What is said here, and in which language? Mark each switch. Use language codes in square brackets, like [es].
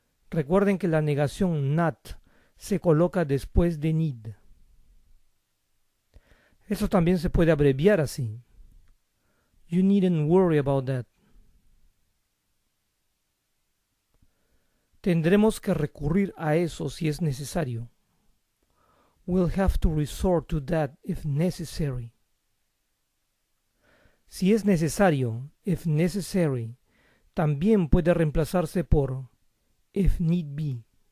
[es] Recuerden que la negación not se coloca después de need. Eso también se puede abreviar así. [en] You needn't worry about that. [es] Tendremos que recurrir a eso si es necesario. [en] We'll have to resort to that if necessary. [es] Si es necesario, [en] if necessary, [es] también puede reemplazarse por [en] if need be.